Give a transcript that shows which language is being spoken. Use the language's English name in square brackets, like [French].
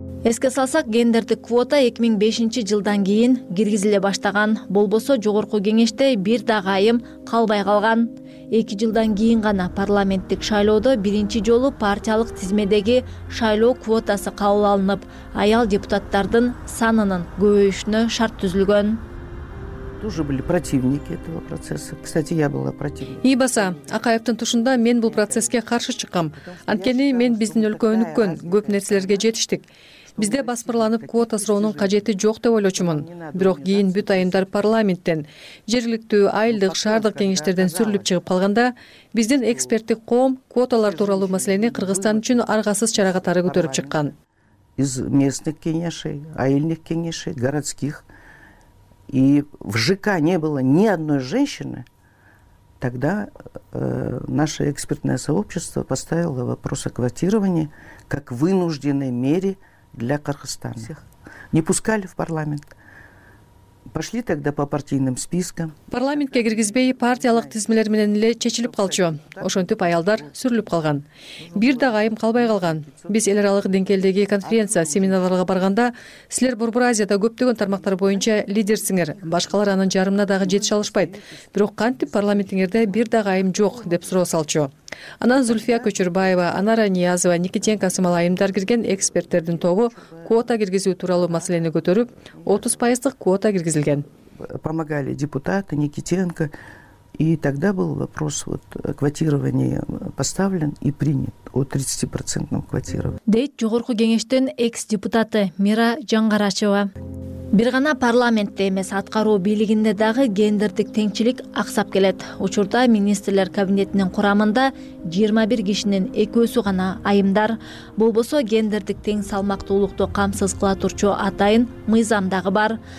[Kyrgyz] Эске салсак, гендердик квота 2005 жылдан кийин киргизиле баштаган, болбосо Жогорку Кеңеште бир да айым калбай калган. 2 жылдан кийин гана парламенттик шайлоодо биринчи жолу партиялык тизмедеги шайлоо квотасы кабыл алынып, аял депутаттардын санынын көбөйүшүнө шарт түзүлгөн. [Russian] Тоже были противники этого процесса. Кстати, я была противником. [Kyrgyz] Ийбаса, Акаевтин тушунда мен бул процесске каршы чыккам. Анткени мен биздин өлкө өнүккөн, көп нерселерге жетиштик. Бизде басмырланып квота суроонун кажети жок деп ойлочумун. Бирок кийин бүт айымдар парламенттен, жергиликтүү, айылдык, шаардык кеңештерден сүрүлүп чыгып калганда, биздин эксперттик коом квоталар тууралуу маселени Кыргызстан үчүн аргасыз чара катары көтөрүп чыккан. [Russian] Из местных кеңешей, [Kyrgyz] айылдык кеңешей, [Russian] городских. И в ЖК не было ни одной женщины, тогда наше экспертное сообщество поставило вопрос о квотировании как вынужденной мере для Кыргызстана. Всех не пускали в парламент. Пошли тогда по партийным спискам. [Kyrgyz] Парламентке киргизбей партиялык тизмелер менен эле чечилип калчу. Ошентип аялдар сүрүлүп калган. Бир да айым калбай калган. Биз эл аралык деңгээлдеги конференция, семинарларга барганда, силер Борбор Азияда көптөгөн тармактар боюнча лидерсиңер. Башкалар анын жарымына дагы жетише алышпайт. Бирок кантип парламентиңерде бир да айым жок деп суроо салчу. Анан Зульфия Көчөрбаева, Анара Ниязова, Никитен Касымал айымдар кирген эксперттердин тобу квота киргизүү тууралуу маселени көтөрүп, 30% квота киргизилген. [Russian] Помогали депутаты Никитенко, и тогда был вопрос вот квотирования поставлен и принят о 30% квотировании. [Kyrgyz] Дейт Жогорку Кеңештин экс депутаты Мира Жангарачева. Бир гана парламентте эмес, аткаруу бийлигинде дагы гендердик теңчилик аксап келет. Учурда министрлер кабинетинин курамында 21 кишинин экөөсү гана айымдар. Болбосо гендердик тең салмактуулукту камсыз кыла турчу атайын мыйзам дагы бар.